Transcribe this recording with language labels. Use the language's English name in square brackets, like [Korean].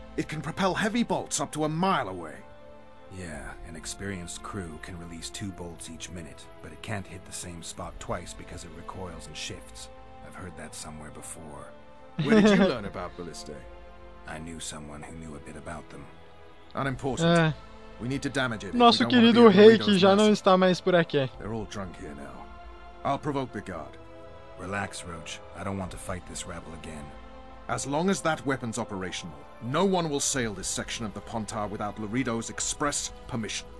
[English] It can propel heavy bolts up to a mile away. Yeah, an experienced crew can release 2 bolts each minute, but it can't hit the same spot twice because it recoils and shifts. I've heard that somewhere before. Where did you learn about ballista? I knew someone who knew a bit about them. Unimportant. We need to damage it. [Portuguese] Nosso querido rei que já não está mais por aqui. [English] They're all drunk here now. I'll provoke the guard. Relax, Roach. I don't want to fight this rabble again. As long as that weapon's operational, no one will sail this section of the Pontar without Laredo's express permission.